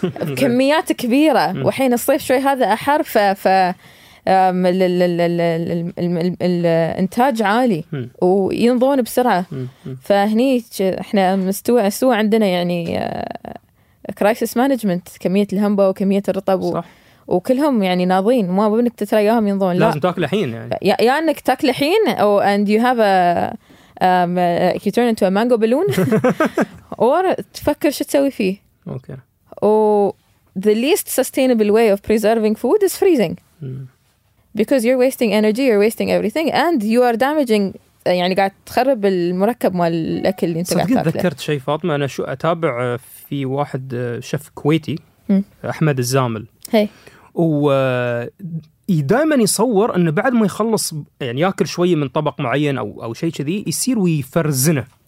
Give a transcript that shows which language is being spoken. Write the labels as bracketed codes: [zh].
[ar] بكميات كبيره, وحين الصيف شوي هذا احر, ف الانتاج عالي وينضون بسرعة. فهني احنا مستوى عندنا يعني كرايسيس مانجمنت, كمية الهمبة وكمية الرطب, وكلهم يعني ناضين, ما بدك تتريهم ينضون, لازم تاكل الحين. يعني يا انك تاكل الحين او [en] and you have a you turn into a mango balloon or [ar] تفكر شو تسوي فيه. اوكي. [en] و the least sustainable way of preserving food is freezing. Because you're wasting energy, you're wasting everything, and you are damaging. [ar] يعني قاعد تخرب المركب مال الأكل اللي أنت قاعد تأكله. ذكرت شيء فاطمة, أنا شو أتابع في واحد شيف كويتي أحمد الزامل. هي. ودائما يصور إنه بعد ما يخلص يعني يأكل شوية من طبق معين أو شيء كذي يصير ويفرزنه.